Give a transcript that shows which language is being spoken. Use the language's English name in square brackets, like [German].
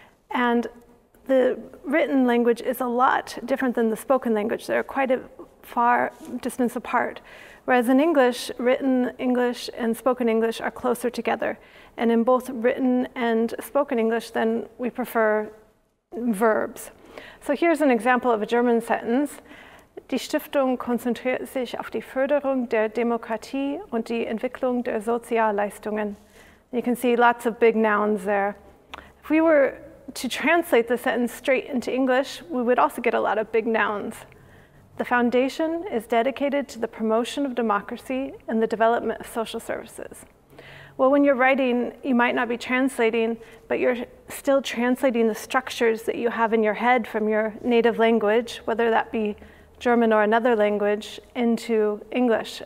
[English] And the written language is a lot different than the spoken language. They're quite a far distance apart. Whereas in English, written English and spoken English are closer together. And in both written and spoken English, then we prefer verbs. So here's an example of a German sentence. [German] Die Stiftung konzentriert sich auf die Förderung der Demokratie und die Entwicklung der Sozialleistungen. [English] You can see lots of big nouns there. If we were to translate the sentence straight into English, we would also get a lot of big nouns. The foundation is dedicated to the promotion of democracy and the development of social services. Well, when you're writing, you might not be translating, but you're still translating the structures that you have in your head from your native language, whether that be German or another language, into English.